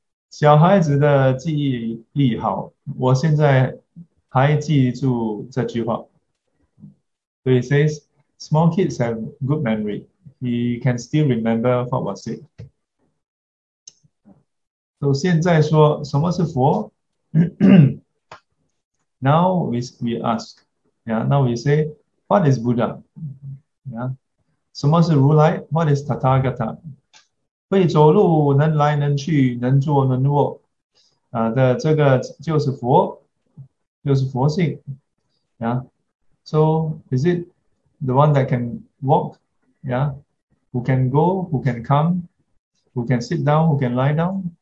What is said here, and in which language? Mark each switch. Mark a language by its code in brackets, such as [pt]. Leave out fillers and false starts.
[zh] 小孩子的记忆力好, 我现在还记住这句话. [en] So he says, small kids have good memory. He can still remember what was said. So [zh] So 现在说, 什么是佛? [en] Now we ask. Yeah, now we say, what is Buddha? Yeah. [zh] 什么是如来? [en] What is Tathagata? [zh] 会走路, 能来能去, 能做能握, 的这个就是佛, 就是佛性, yeah. [en] So is it the one that can walk? Yeah. Who can go, who can come, who can sit down, who can lie down?